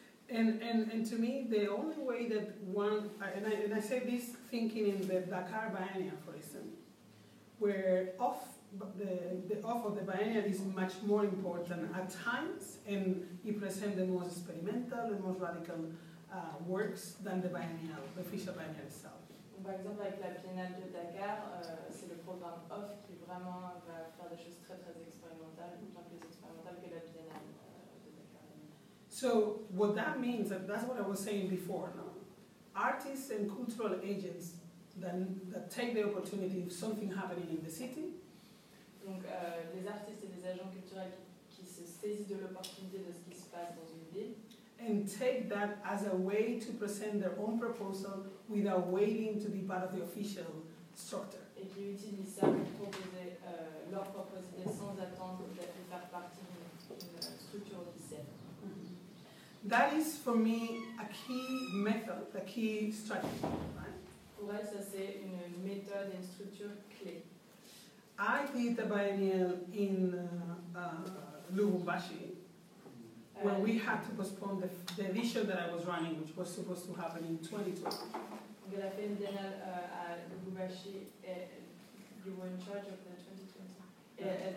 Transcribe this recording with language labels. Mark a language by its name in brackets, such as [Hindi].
[English] And to me, the only way that one, and I say this thinking in the Dakar biennial, for instance, where the biennial is much more important at times, and it presents the most experimental and most radical works than the biennial, the official biennial itself. [French] Par exemple, avec la biennale de Dakar, c'est le programme OFF qui vraiment va faire des choses très très expérimentales, autant plus expérimentales que la biennale de Dakar. [English] So what that means, and that's what I was saying before, no? Artists and cultural agents that take the opportunity of something happening in the city. [French] Donc les artistes et les agents culturels qui se saisissent de l'opportunité de ce qui se passe dans une ville. [English] And take that as a way to present their own proposal without waiting to be part of the official structure. [French] Et qui utilisent ça pour proposer leur propre idée sans attendre d'être faire partie d'une structure officielle. [English] That is for me a key method, a key strategy. [French] Pour elle, ça c'est une méthode et une structure clé. [English] I did a biennial in Lubumbashi when we had to postpone the edition that I was running, which was supposed to happen in 2020. [French] Elle a fait une biennale à Lubumbashi et [English] you were in charge of the 2020.